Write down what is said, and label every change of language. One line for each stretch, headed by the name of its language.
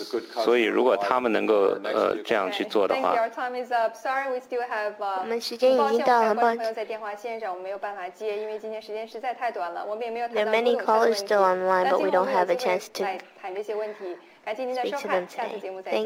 Chinese: 所以，如果他们能够这样去做的话，我们时间已经到了，抱歉，在电话线上我们没有办法接，因为今天时间实在太短了，我们也没有。
English: There are many callers still online, but we don't have a chance to.
Chinese: 谈这些问题，感谢您的收看，下次节目再见。